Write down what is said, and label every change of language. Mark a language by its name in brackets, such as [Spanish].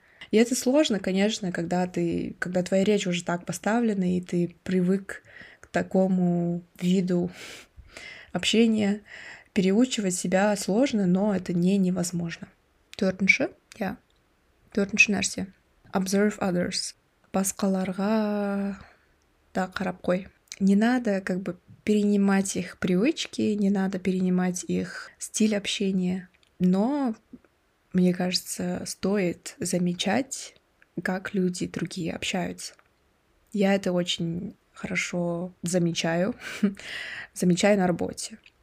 [Russian] И это сложно, конечно, когда твоя речь уже так поставлена, и ты привык к такому виду общения. Переучивать себя сложно, но это не невозможно. [Kazakh] Төртінші, [Russian] yeah. [Kazakh] Төртінші нәрсе. [English] Observe others. [Kazakh] Басқаларға да қарап қой. [Russian] Не надо как бы перенимать их привычки, не надо перенимать их стиль общения, но мне кажется, стоит замечать, как люди другие общаются. Я это очень хорошо замечаю, замечаю на работе.